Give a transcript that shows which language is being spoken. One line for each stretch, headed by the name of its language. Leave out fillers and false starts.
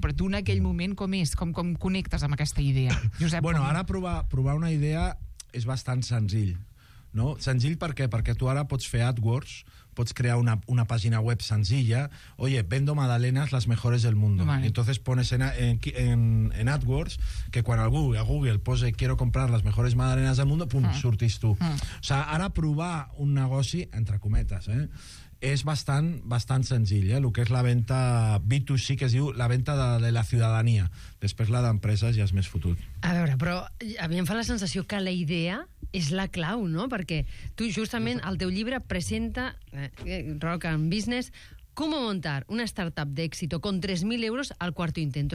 Catalan: Però tu en aquell moment com és? Com connectes amb aquesta idea? Josep, bueno, ara provar una idea... és bastant senzill, no? Senzill per què? Perquè tu ara pots fer AdWords, pots crear una pàgina web senzilla.
Spanish: Oye, vendo magdalenas las mejores del mundo. Vale. Entonces pones en AdWords que
Catalan: quan algú a Google pose
Spanish: quiero comprar las mejores magdalenas del mundo, pum,
Catalan: surtis tu. O sea, ara provar un negoci, entre cometes, és bastant senzill, el que és la venda B2C, que es diu la venda de la ciutadania. Després la d'empreses ja és més fotut. A veure, però a mi em fa la sensació que la idea és la clau, no? Perquè tu justament el teu llibre presenta, Rock and Business, ¿cómo montar una startup de éxito con 3.000 euros al cuarto intento?